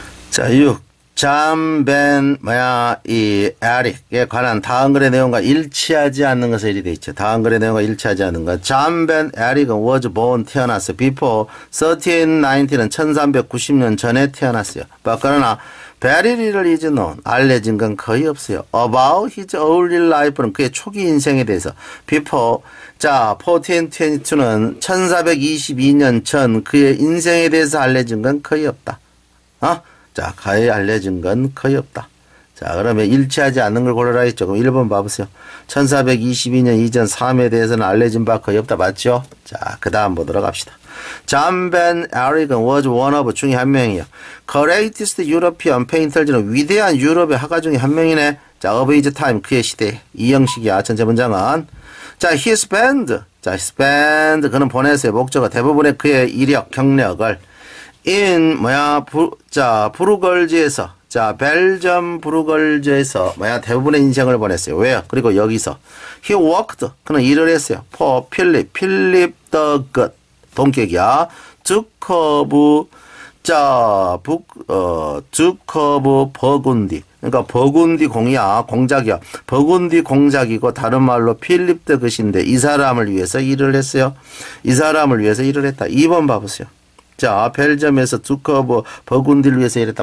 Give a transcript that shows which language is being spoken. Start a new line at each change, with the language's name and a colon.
Korean: 자, 6. 잠, 벤, 뭐야, 이, 에릭에 관한 다음 글의 내용과 일치하지 않는 것에 이리 돼 있죠. 다음 글의 내용과 일치하지 않는 것. 잠, 벤, 에릭은
English: was born,
Korean: 태어났어.
English: before 1390
Korean: 은 1390년 전에 태어났어요.
English: 그러나, very little is known.
Korean: 알려진 건 거의 없어요.
English: about his early life
Korean: 는 그의 초기 인생에 대해서. before, 자, 1422는 1422년 전 그의 인생에 대해서 알려진 건 거의 없다. 자, 가히 알려진 건 거의 없다. 자, 그러면 일치하지 않는 걸 고르라 했죠. 그럼 1번 봐보세요. 1422년 이전 3에 대해서는 알려진 바 거의 없다. 맞죠? 자, 그 다음 보도록 합시다. 잠벤 에릭은
English: was one of
Korean: 중에 한 명이에요.
English: Greatest European painters
Korean: 는 위대한 유럽의 화가 중에 한 명이네. 자,
English: of his time,
Korean: 그의 시대. 이 형식이야, 전체 문장은. 자,
English: his band.
Korean: 자, his band. 그는 보냈어요. 목적은 대부분의 그의 이력, 경력을. In 뭐야 부르걸즈에서 자 벨점 부르걸즈에서 뭐야 대부분의 인생을 보냈어요. 왜요? 그리고 여기서
English: he worked
Korean: 그는 일을 했어요.
English: for 필립 the good
Korean: 동격이야. 두커브 자북어 두커브 버군디 그러니까 버군디 공이야 공작이야. 버군디 공작이고 다른 말로 필립 the good인데 이 사람을 위해서 일을 했어요. 이 사람을 위해서 일을 했다. 2번 봐보세요. 자, 벨점에서 두커브 버군디를 위해서 이랬다.